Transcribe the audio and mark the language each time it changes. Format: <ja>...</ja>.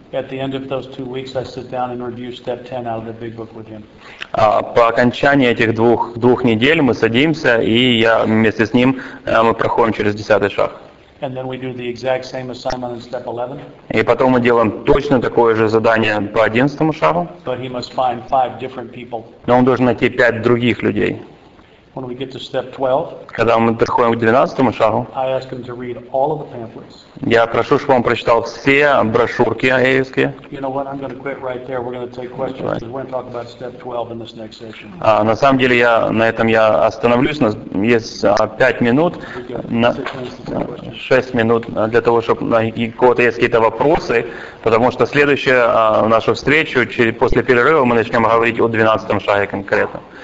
<ru>По окончании этих двух недель мы садимся, и я вместе с ним мы проходим через 10-й шаг.</ru> <en>And then we do the exact same assignment in step 11.</en> <ru>И потом мы делаем точно такое же задание по 11-му шагу.</ru> <en>But he must find 5 different people.</en> <ru>Но он должен найти 5 других людей.</ru> <en>When we get to step 12,</en> <ru>когда мы подходим к 12-му шагу,</ru> <en>I ask him to read all of the pamphlets.</en> <ru>Я прошу, чтобы он прочитал все брошюрки АА-евские.</ru> <en>You know what? I'm going to quit right there. We're going to take questions. Right. We're going to talk about step 12 in this next session.</en> <ru>На самом деле я на этом я остановлюсь. У нас есть 5 минут, 6 минут для того, чтобы у кого-то есть какие-то вопросы, потому что следующую нашу встречу после перерыва мы начнем говорить о 12-м шаге конкретно.</ru>